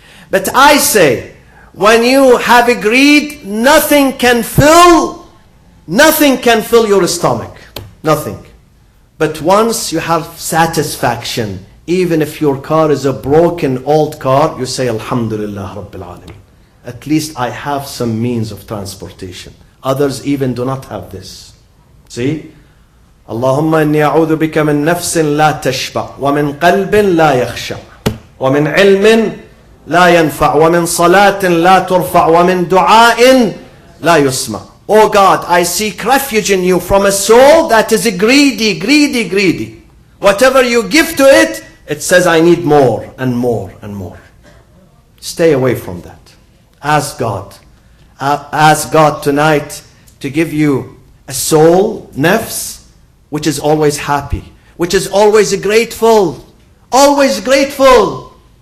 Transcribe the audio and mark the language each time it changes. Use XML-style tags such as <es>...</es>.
<en>But I say, when you have a greed, nothing can fill your stomach. Nothing. But once you have satisfaction, even if your car is a broken old car, you say, Alhamdulillah Rabbil Alameen. At least I have some means of transportation. Others even do not have this. See?</en> <ar>اللهم إني أعوذ بك من نفس لا تشبع ومن قلب لا يخشع ومن علم لا ينفع ومن صلاة لا ترفع ومن دعاء لا يسمع.</ar> <en>Oh God, I seek refuge in you from a soul that is greedy. Whatever you give to it, it says I need more and more and more. Stay away from that. Ask God. Ask God tonight to give you a soul, nafs, which is always happy, which is always grateful, always grateful.</en>